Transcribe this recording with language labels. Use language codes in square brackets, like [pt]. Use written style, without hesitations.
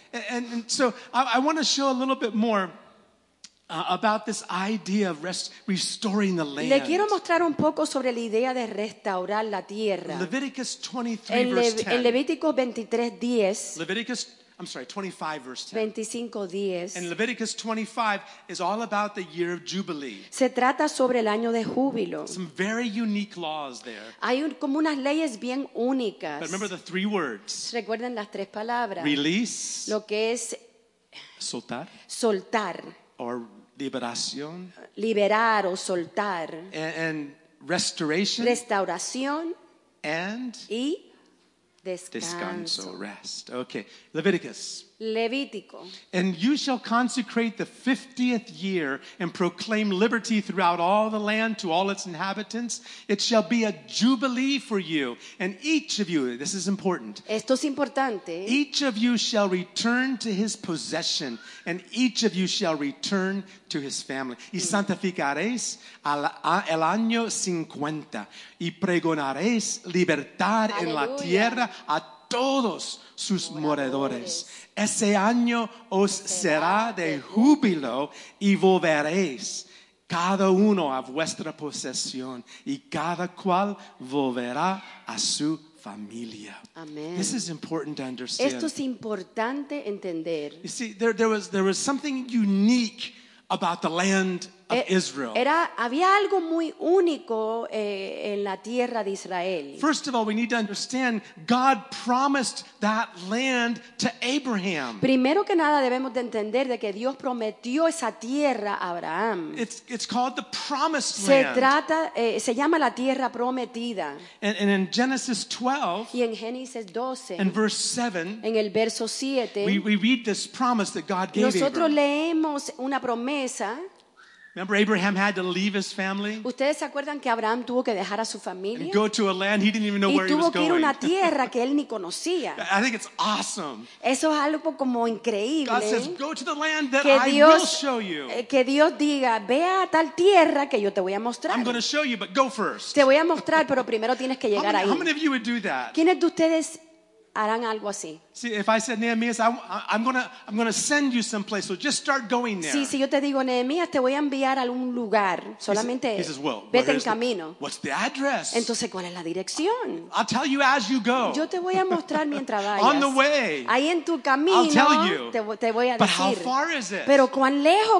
[en] And so I want to show a little bit more about this idea of restoring the land. [es] Le quiero mostrar un poco sobre la idea de restaurar la tierra. [en] Leviticus 23 verse 10. [es] En Levítico 23:10. [en] Leviticus, I'm sorry, 25 verse 10. [es] 25:10. [en] And Leviticus 25 is all about the year of jubilee. [es] Se trata sobre el año de júbilo. [en] Some very unique laws there. [es] Hay como unas leyes bien únicas. [en] But remember the three words. [es] Recuerden las tres palabras. [en] Release. [es] Lo que es soltar. Soltar. [en] Or liberación, [es] liberar o soltar, [en] and restoration, [es] restauración, [en] and [es] y descanso, [en] rest. Okay, Leviticus. [es] Levítico. [en] And you shall consecrate the 50th year and proclaim liberty throughout all the land to all its inhabitants. It shall be a jubilee for you. And each of you, this is important. [es] Esto es importante. [en] Each of you shall return to his possession, and each of you shall return to his family. [es] Y santificaréis el año 50, y pregonaréis libertad en la tierra a todos sus moradores. Ese año os será de júbilo y volveréis cada uno a vuestra posesión y cada cual volverá a su familia. Amen. [en] This is important to understand. [es] Esto es importante entender. [en] You see, there was something unique about the land of Israel. [es] Había algo muy único en la tierra de Israel. [en] First of all, we need to understand God promised that land to Abraham. [es] Primero que nada, debemos de entender de que Dios prometió esa tierra a Abraham. [en] It's called the promised land. [es] Se llama la tierra prometida. [en] And in Genesis 12, [es] y en Génesis 12, [en] in verse 7, [es] en el verso 7, [en] we read this promise that God gave [es] nosotros [en] Abraham. [es] Nosotros leemos una promesa. [en] Remember, Abraham had to leave his family. [es] ¿Ustedes se acuerdan que Abraham tuvo que dejar a su familia? [en] And go to a land he didn't even know where he was going. [es] Y tuvo que ir a una tierra que él ni conocía. [en] I think it's awesome. [es] Eso es algo como increíble. [en] God says, "Go to the land that I will show you." [es] Que Dios diga, ve a tal tierra que yo te voy a mostrar. [en] I'm going to show you, but go first. [es] Te voy a mostrar, pero primero tienes que llegar ahí. [en] How many of you would do that? [es] ¿Quiénes de ustedes harán algo así? [en] See, if I said, Nehemiah, I'm gonna send you someplace, so just start going there. [es] Sí, si yo te digo, Nehemiah, te voy a enviar a algún lugar. Solamente [en] he says, well, [es] vete en camino. [en] What's the address? [es] Entonces, ¿cuál es la dirección? [en] I'll tell you as you go. [es] Yo te voy a mostrar mientras vayas. [en] On the way. [es] Ahí en tu camino. [en] I'll tell you. [es] Te voy a decir. [en] But how far is it? [es] Pero ¿cuán lejos